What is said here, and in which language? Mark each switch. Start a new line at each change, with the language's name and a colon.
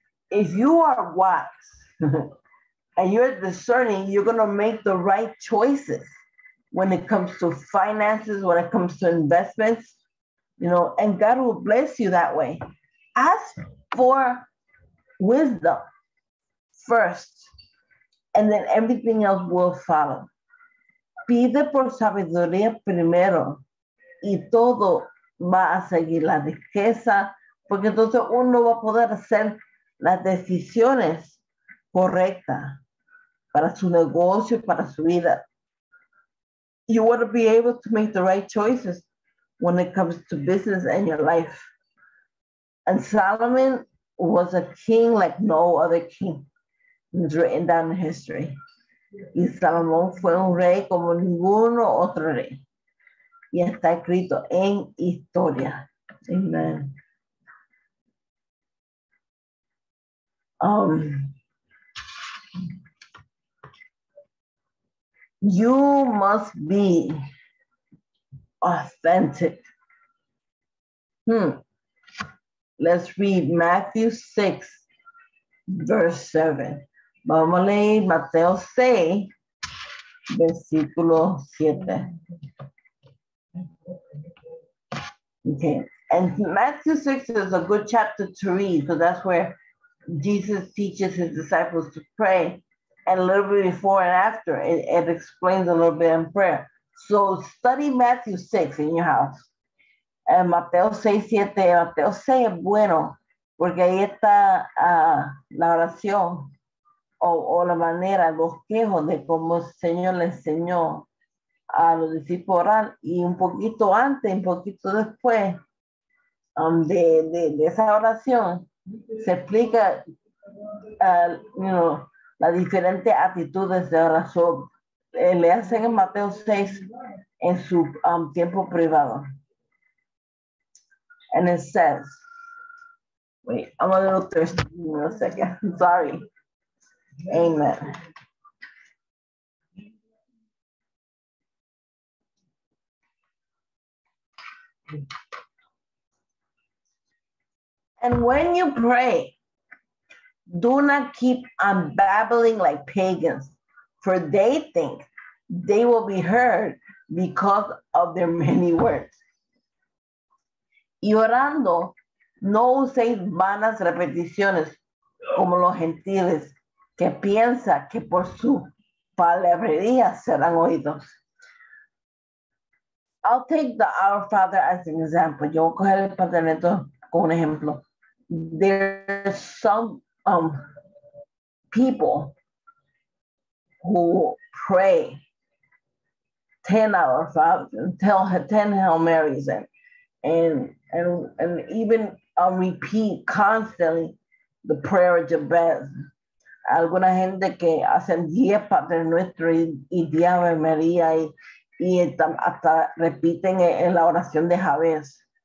English: If you are wise, and you're discerning, you're going to make the right choices when it comes to finances, when it comes to investments, you know, and God will bless you that way. Ask for wisdom first, and then everything else will follow.
Spanish: Pide por sabiduría primero, y todo va a seguir la riqueza, porque entonces uno va a poder hacer las decisiones correcta para su negocio, para su vida.
English: You want to be able to make the right choices when it comes to business and your life. And Solomon was a king like no other king. It's written down in history.
Spanish: Y Salomón fue un rey como ningún otro rey. Y está escrito en historia. Amen.
English: You must be authentic. Let's read Matthew 6, verse 7.
Spanish: Vamos a leer Mateo 6, versículo 7.
English: Okay, and Matthew 6 is a good chapter to read, because that's where Jesus teaches his disciples to pray. And a little bit before and after, it explains a little bit in prayer. So study Matthew 6 in your house. And Mateo 6, 7.
Spanish: Mateo 6 es bueno, porque ahí está la oración o la manera, los quejos de cómo el Señor le enseñó a los discípulos orar. Y un poquito antes, un poquito después de esa oración, se explica,
English: you know,
Spanish: las diferentes actitudes de oración le hacen en Mateo 6 en su tiempo privado.
English: And it says, wait, I'm a little thirsty in a second. Sorry. Amen. And when you pray, do not keep on babbling like pagans, for they think they will be heard because of their many words.
Spanish: Y orando, no uséis vanas repeticiones como los gentiles, que piensa que por su palabrería serán oídos.
English: I'll take the Our Father as an example.
Spanish: Yo voy a coger el Padre Neto como un ejemplo.
English: There's some people who pray 10 Our Father, 10 Hail Marys, and even repeat constantly the prayer of Jabez.
Spanish: Alguna gente que hacen 10 Padre Nuestro y 10 Ave María y hasta repiten en la oración de Jabez.